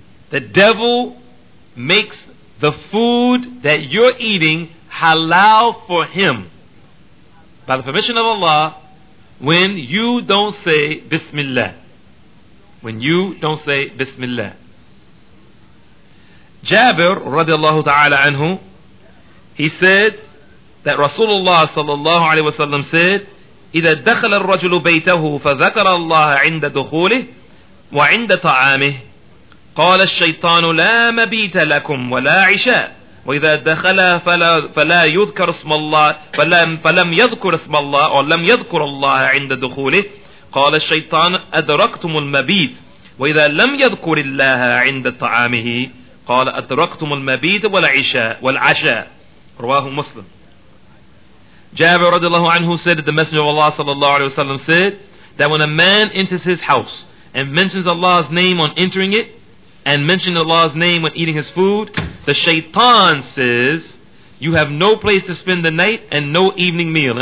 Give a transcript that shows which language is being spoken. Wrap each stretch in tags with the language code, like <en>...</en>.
<en>The devil makes the food that you're eating halal for him by the permission of Allah when you don't say Bismillah. When you don't say Bismillah. Jabir radiallahu ta'ala anhu, he said that Rasulullah sallallahu alayhi wasallam said,</en> <ar>إذا دخل الرجل بيته فذكر الله عند دخوله وعند طعامه قال الشيطان لا مبيت لكم ولا عشاء وإذا دخل فلا يذكر اسم الله فلم يذكر اسم الله أو لم يذكر الله عند دخوله قال الشيطان أدركتم المبيت وإذا لم يذكر الله عند طعامه قال أدركتم المبيت والعشاء والعشاء. رواه مسلم.</ar> <en>Jabir radiallahu anhu said that the Messenger of Allah sallallahu alayhi wa sallam said that when a man enters his house and mentions Allah's name on entering it and mentions Allah's name when eating his food, the shaitan says, you have no place to spend the night and no evening meal.</en>